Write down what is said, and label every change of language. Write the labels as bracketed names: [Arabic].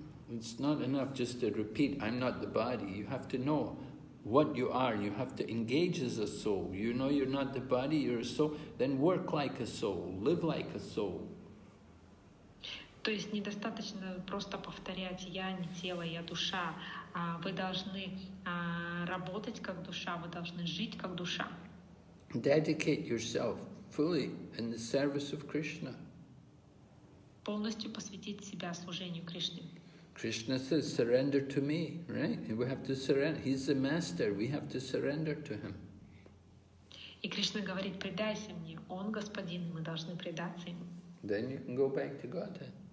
[English] It's not enough just to repeat, I'm not the body. You have to know what you are. You have to engage as a soul. You know you're not the body, you're a soul. Then work like a soul. Live like a soul. [Russian] То есть недостаточно просто повторять «я не тело, я душа». Вы должны работать как душа, вы должны жить как душа. [English] Dedicate yourself fully in the service of Krishna. [Russian] Полностью посвятить себя служению Кришне. [English] Krishna says, surrender to me, right? We have to surrender. He's the master. We have to surrender to him. [Russian] И Кришна говорит, предайся мне. Он Господин, мы должны предаться ему. [English] Then you can go back to Godhead.